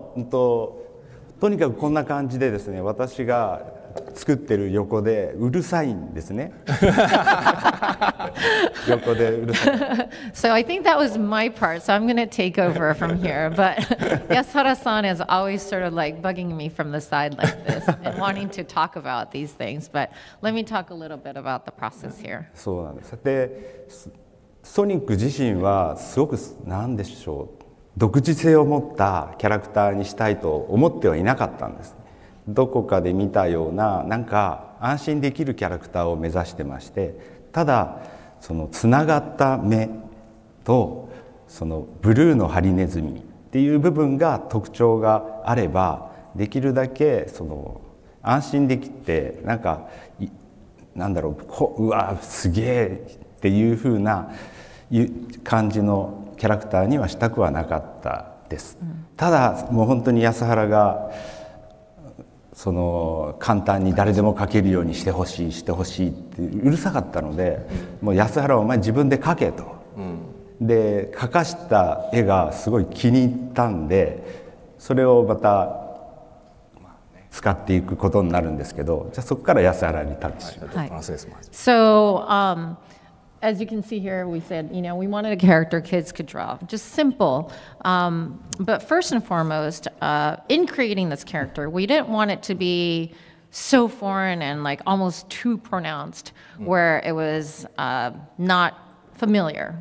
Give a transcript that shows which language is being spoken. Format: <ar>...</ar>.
<ja>とにかくこんな感じでですね、私が作ってる横でうるさいんですね。横でうるさい。</ja> <en>So I think that was my part. So I'm going to take over from here. But Yasuhara-san is always sort of like bugging me from the side like this and wanting to talk about these things. But let me talk a little bit about the process here.</en> <ja>そうなんです。で、ソニック自身はすごく何でしょう、独自性を持ったキャラクターにしたいと思ってはいなかったんです。どこかで見たようななんか安心できるキャラクターを目指してまして、ただそのつながった目とそのブルーのハリネズミっていう部分が特徴があれば、できるだけその安心できて、なんかなんだろう、こうわすげえっていう風な感じのキャラクターにはしたくはなかったです。ただもう本当に安原がその簡単に誰でも描けるようにしてほしい、してほしいってうるさかったので、もう安原はお前自分で描けと、で描かした絵がすごい気に入ったんで、それをまた使っていくことになるんですけど、じゃあそこから安原にタッチします。</ja> <en>So, As you can see here, we said, you know, we wanted a character kids could draw. Just simple. But first and foremost, in creating this character, we didn't want it to be so foreign and like almost too pronounced where it was not familiar.</en>